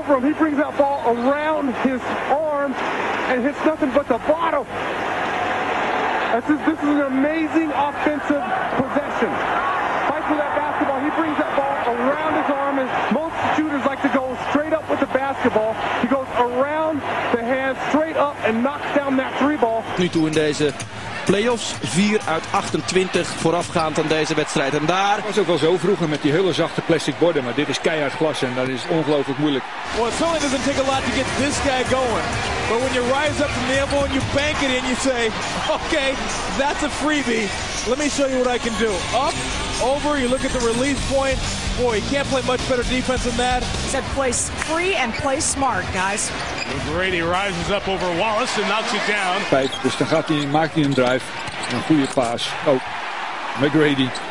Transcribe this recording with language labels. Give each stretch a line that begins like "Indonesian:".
English: He brings that ball around his arm and hits nothing but the bottom. This is an amazing offensive possession. Fight for that basketball. He brings that ball around his arm. And most shooters like to go straight up with the basketball. He goes around the hand, straight up, and knocks down that three ball.
Dutch: Nu toe in deze playoffs, 4 uit 28 voorafgaand aan deze wedstrijd. En daar... Het was ook wel zo vroeger met die hele zachte plastic borden, maar dit is keihard glas en dat is ongelooflijk moeilijk.
English: Well, it certainly doesn't take a lot to get this guy going. But when you rise up from the elbow and you bank it in, you say, okay, that's a freebie. Let me show you what I can do. Up, over, you look at the release point. Boy, you can't play much better defense than that. He said play free and play smart, guys. McGrady rises up over Wallace and knocks it down.
Dutch: Dus dan gaat hij, maakt hij een drive. Een goede pass. Oh, McGrady.